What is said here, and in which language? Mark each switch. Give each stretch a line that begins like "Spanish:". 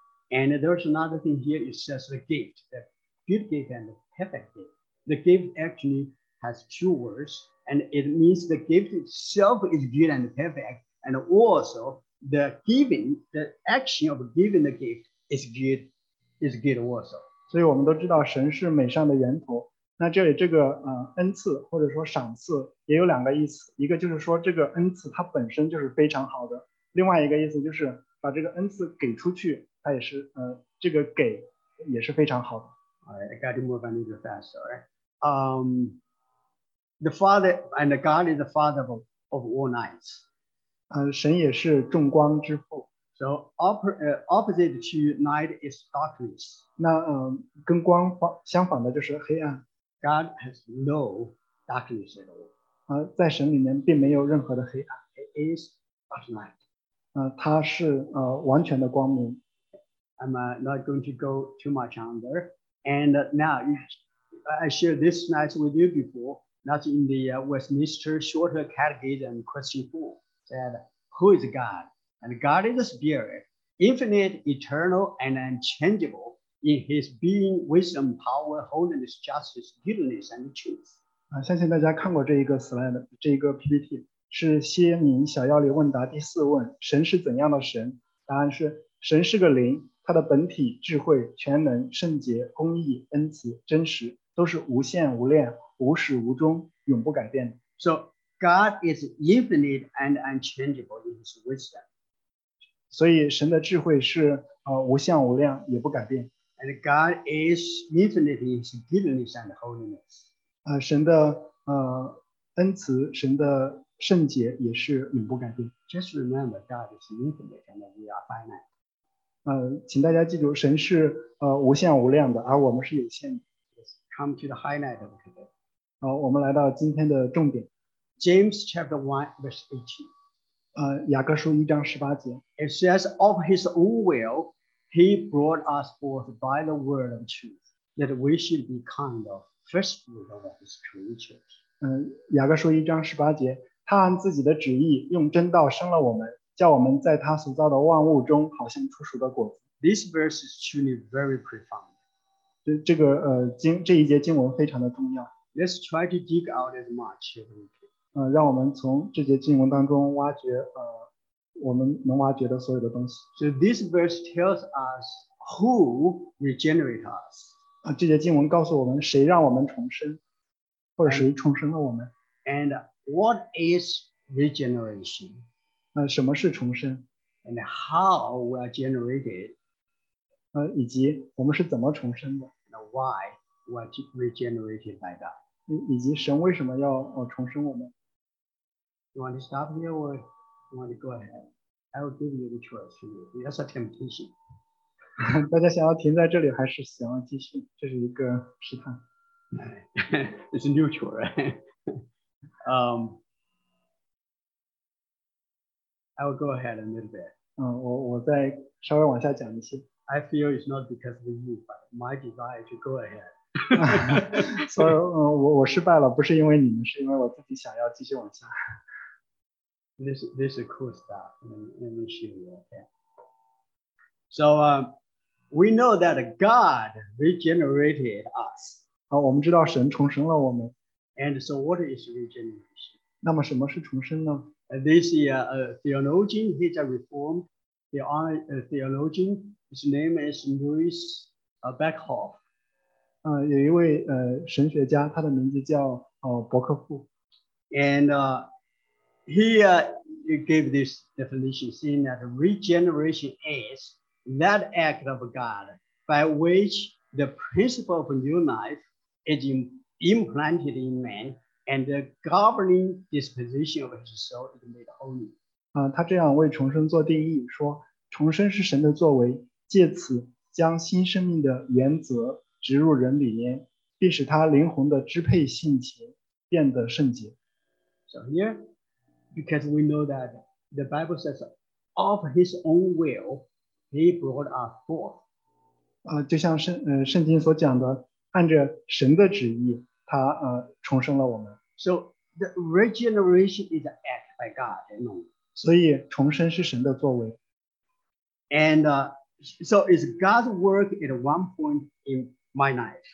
English: And there's another thing here. It says the gift, the good gift and the perfect gift. The gift actually has two words, and it means the gift itself is good and perfect, and also the giving, the action of giving the gift is good also.
Chinese: 所以我们都知道神是美善的源头。那这里这个恩赐或者说赏赐也有两个意思。一个就是说这个恩赐它本身就是非常好的。另外一个意思就是把这个恩赐给出去它也是这个给也是非常好的。
English: I got to move on a little faster, right? The Father and the God is the Father of all lights.
Chinese: 神也是众光之父。
English: So opposite to night is darkness.
Chinese: 那跟光相反的就是黑暗。
English: God has no darkness at all.
Chinese: 在神里面并没有任何的黑暗。
English: It is not night.
Chinese: 它是完全的光明。
English: I'm not going to go too much on there. And now I shared this night with you before, not in the Westminster Shorter Catechism question 4, said, who is God? And God is a spirit, infinite, eternal, and unchangeable in his being, wisdom, power, holiness, justice, goodness, and truth.
Chinese: 相信大家看过这一个 slide, 这一个 PPT, 是歇宁小要理问答第四问，神是怎样的神？答案是，神是个灵，他的本体、智慧、全能、圣洁、公义、恩慈、真实，都是无限无量、无始无终、永不改变的。
English: So, God is infinite and unchangeable in his wisdom.
Chinese: 所以神的智慧是无相无量也不改变。
English: And God is infinite in his goodness and holiness.
Chinese: 神的恩慈神的圣洁也是永不改变。
English: Just remember God is infinite and we are finite.
Chinese: 请大家记住神是无相无量的而我们是有限的。
English: Let's come to the highlight of today.
Chinese: 我们来到今天的重点。
English: James chapter 1 verse 18.
Chinese: 雅各书一章十八节。
English: It says, of his own will, he brought us forth by the word of truth, that we should be kind of first fruit of his creatures.
Chinese: 雅各书一章十八节。他按自己的旨意用真道生了我们叫我们在他所造的万物中好像出熟的果子。
English: This verse is truly very profound.
Chinese: 这一节经文非常的重要。
English: Let's try to dig out as much as we can.
Chinese: 让我们从这节经文当中挖掘我们能挖掘的所有的东西。
English: So this verse tells us who regenerate us.
Chinese: 这节经文告诉我们谁让我们重生或者谁重生了我们。
English: What is regeneration?
Chinese: 什么是重生?
English: And how we are generated?
Chinese: 以及我们是怎么重生的?
English: And why we are regenerated by God?
Chinese: 以及神为什么要重生我们?
English: You want to stop here or you want to go ahead? I will give you the choice. That's a temptation.
Chinese: 大家想要停在这里还是想要继续? 这是一个试探。
English: It's neutral, right? I will go ahead a little bit.
Chinese: 我再稍微往下讲一些。
English: I feel it's not because of you, but my desire to go ahead.
Chinese: 所以，我失败了，不是因为你们，是因为我自己想要继续往下。
English: This is cool stuff. Let me show you. Okay. So, we know that God regenerated us.
Chinese: 我们知道神重生了我们。
English: And so what is regeneration?
Chinese: 那么什么是重生呢?
English: This is a theologian, he's a reformed theologian. His name is Louis Beckhoff.
Chinese: 有一位神学家,他的名字叫伯克夫。
English: And he gave this definition, saying that regeneration is that act of God by which the principle of new life is implanted in man, and the governing disposition of his soul is made holy.
Chinese: 他这样为重生做定义，说重生是神的作为，借此将新生命的原则植入人里面，并使他灵魂的支配性情变得圣洁。
English: So here, because we know that the Bible says, of his own will, he brought us forth.
Chinese: 就像圣经所讲的，按着神的旨意。他重生了我们。
English: So the regeneration is an act by God, you know.
Chinese: 所以重生是神的作为。
English: And so it's God's work at one point in my life.